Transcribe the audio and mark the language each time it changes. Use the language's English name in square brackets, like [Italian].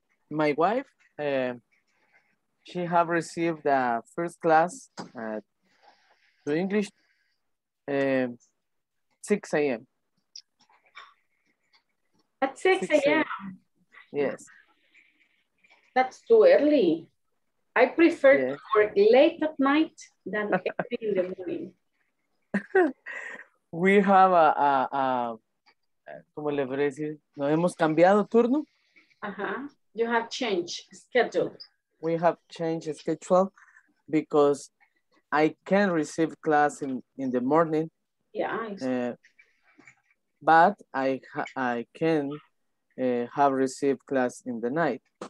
[English] My wife, she have received the first class at the English 6 a.m. At 6 a.m. Yes. That's too early. I prefer to work late at night than early in the morning. We have a [Spanish] ¿cómo le voy a decir? ¿Nos hemos cambiado turno? [English] Uh-huh. You have changed schedule. We have changed schedule because I can receive class in the morning. Yeah, I see. But I can have received class in the night.